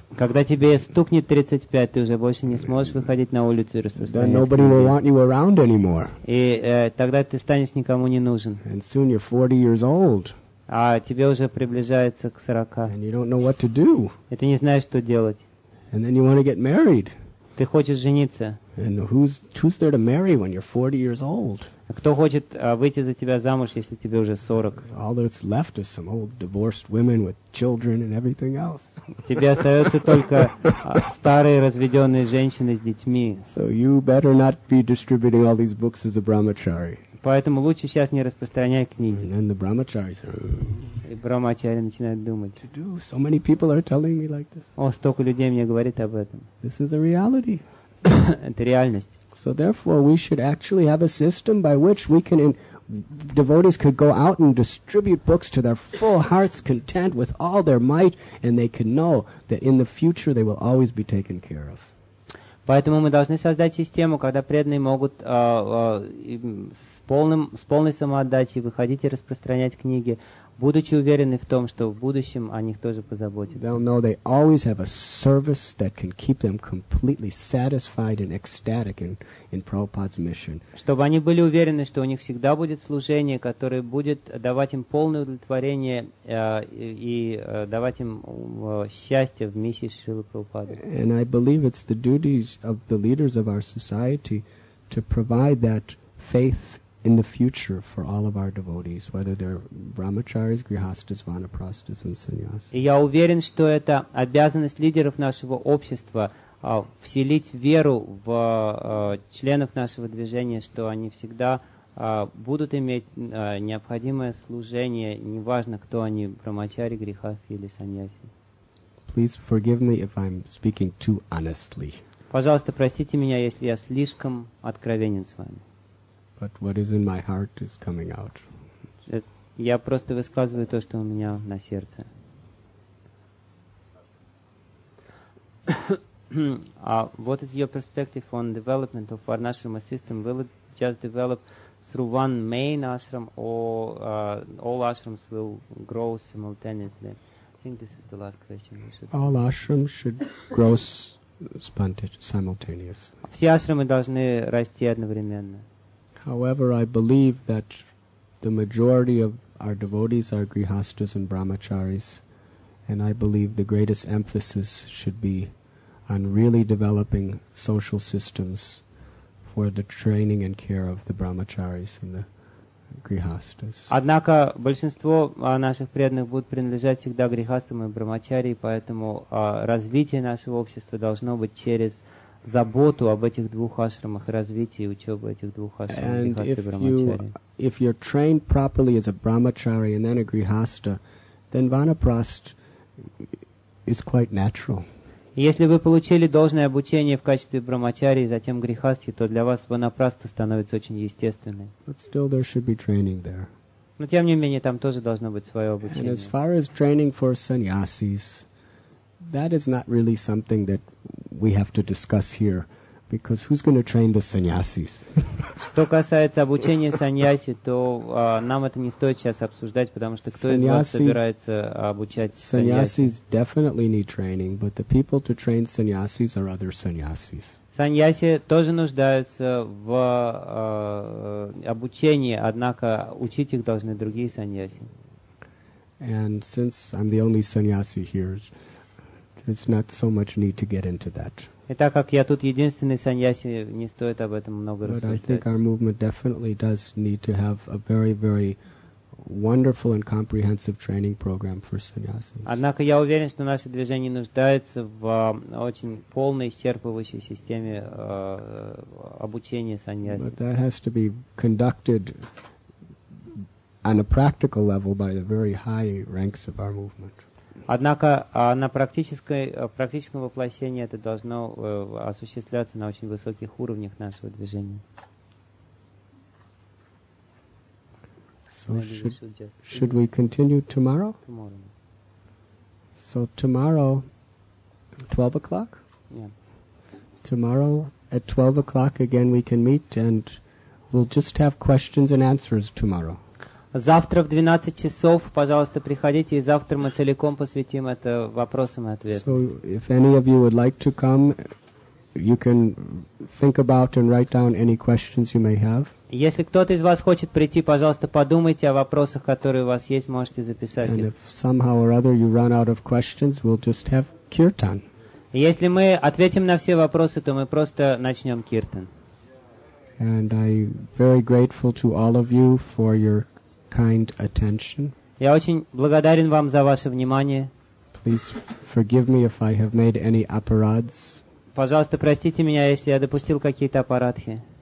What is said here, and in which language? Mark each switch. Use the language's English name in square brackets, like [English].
[Russian] Когда тебе стукнет 35, ты уже больше не сможешь выходить на улицу и распространять книги. И тогда ты станешь никому не нужен. [English] And soon you're 40 years old. [Russian] А тебе уже приближается к 40. [English] And you don't know what to do. [Russian] И ты не знаешь, что делать. [English] And then you want to get married. [Russian] Ты хочешь жениться. [English] And who's there to marry when you're 40 years old? [Russian] Кто хочет выйти за тебя замуж, если тебе уже 40? [English] All that's left is some old divorced women with children and everything else. [Russian] Тебе остается только старые разведенные женщины с детьми. [English] So you better not be distributing all these books as a brahmachari. [Russian] Поэтому лучше сейчас не распространяй книги. [English] And then the brahmachari says, [Russian] и брахмачари начинают думать. [English] To do. So many people are telling me like this. [Russian] О, столько людей мне говорит об этом. [English] This is a reality. [Russian] Это реальность. [English] So therefore, we should actually have a system by which we can, devotees could go out and distribute books to their full hearts content with all their might, and they can know that in the future they will always be taken care of. [Russian] Поэтому мы должны создать систему, когда преданные могут с полной самоотдачей выходить и распространять книги, будучи уверены в том, что в будущем о них тоже позаботятся. [English] They'll know they always have a service that can keep them completely satisfied and ecstatic in Prabhupada's mission. [Russian] Чтобы они были уверены, что у них всегда будет служение, которое будет давать им полное удовлетворение и давать им счастье в миссии Шрилы Прабхупады. [English] And I believe it's the duties of the leaders of our society to provide that faith in the future for all of our devotees, whether they're brahmacharis, grihastas, vanaprastas, and sannyasis. [Russian] И я уверен, что это обязанность лидеров нашего общества вселить веру в членов нашего движения, что они всегда будут иметь необходимое служение, неважно, кто они, брахмачари, грихасты или саньяси. [English] Please forgive me if I'm speaking too honestly. [Russian] Пожалуйста, простите меня, если я слишком откровенен с вами. [English] But what is in my heart is coming out. [Russian] Я просто высказываю то, что у меня на сердце. [English] What is your perspective on development of our ashrama system? Will it just develop through one main ashram, or all ashrams will grow simultaneously? I think this is the last question. All ashrams should grow simultaneously. [Russian] Все ашрамы должны расти одновременно. [English] However, I believe that the majority of our devotees are grihastas and brahmacharis, and I believe the greatest emphasis should be on really developing social systems for the training and care of the brahmacharis and the grihastas. [Russian] Однако большинство наших преданных будут принадлежать всегда грихастам и брахмачари, поэтому развитие нашего общества должно быть через заботу об этих двух ашрамах, развитие и учебу этих двух ашрамах, [English] and if you're trained properly as a brahmachari and then a grihasta, then vanaprast is quite natural. [Russian] Если вы получили должное обучение в качестве брахмачари и затем грихасти, то для вас ванапраста становится очень естественной. [English] But still there should be training there. [Russian] Но тем не менее там тоже должно быть свое обучение. [English] And as far as training for sannyasis, that is not really something that we have to discuss here, because who's going to train the sannyasis? [Russian] Что касается обучения саньяси, то нам это не стоит сейчас обсуждать, потому что кто из вас собирается обучать саньяси? [English] Sannyasis definitely need training, but the people to train sannyasis are other sannyasis. [Russian] Саньяси тоже нуждаются в обучении, однако учить их должны другие саньяси. [English] And since I'm the only sannyasi here, it's not so much need to get into that. [Russian] И так как я тут единственный саньяси, не стоит об этом много рассуждать. [English] But I think our movement definitely does need to have a very, very wonderful and comprehensive training program for sannyasis. [Russian] Однако я уверен, что наше движение нуждается в очень полной, исчерпывающей системе обучения саньяси. [English] But that has to be conducted on a practical level by the very high ranks of our movement. [Russian] Однако на практическом воплощении это должно осуществляться на очень высоких уровнях нашего движения. [English] So should we continue tomorrow? Tomorrow. So tomorrow, 12 o'clock? Yeah. Tomorrow at 12 o'clock again we can meet and we'll just have questions and answers tomorrow. [Russian] Завтра в 12 часов, пожалуйста, приходите, и завтра мы целиком посвятим это вопросам и ответам. [English] So, if any of you would like to come, you can think about and write down any questions you may have. [Russian] Если кто-то из вас хочет прийти, пожалуйста, подумайте о вопросах, которые у вас есть, можете записать их. [English] And if somehow or other you run out of questions, we'll just have kirtan. [Russian] Если мы ответим на все вопросы, то мы просто начнем киртан. [English] And I'm very grateful to all of you for your kind attention. [Russian] Я очень благодарен вам за ваше внимание. [English] Please forgive me if I have made any aparads. [Russian] Пожалуйста, простите меня, если я допустил какие-то аппаратхи.